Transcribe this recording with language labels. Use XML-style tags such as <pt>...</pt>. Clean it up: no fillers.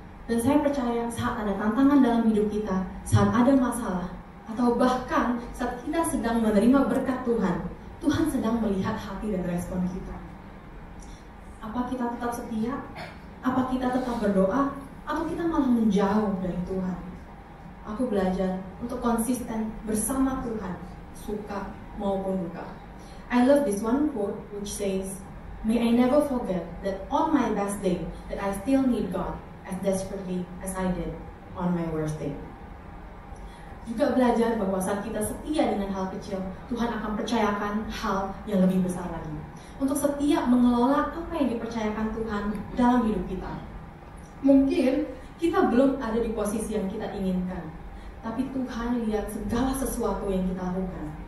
<id>Dan saya percaya saat ada tantangan dalam hidup kita, saat ada masalah, atau bahkan saat kita sedang menerima berkat Tuhan, Tuhan sedang melihat hati dan respon kita. Apa kita tetap setia? Apa kita tetap berdoa? Atau kita malah menjauh dari Tuhan? Aku belajar untuk konsisten bersama Tuhan, suka maupun duka.</id> <en>I love this one quote which says, "May I never forget that on my best day that I still need God as desperately as I did on my worst day."</en> <id>Juga belajar bahwa saat kita setia dengan hal kecil, Tuhan akan percayakan hal yang lebih besar lagi. Untuk setia mengelola apa yang dipercayakan Tuhan dalam hidup kita. Mungkin kita belum ada di posisi yang kita inginkan, tapi Tuhan lihat segala sesuatu yang kita lakukan.</id>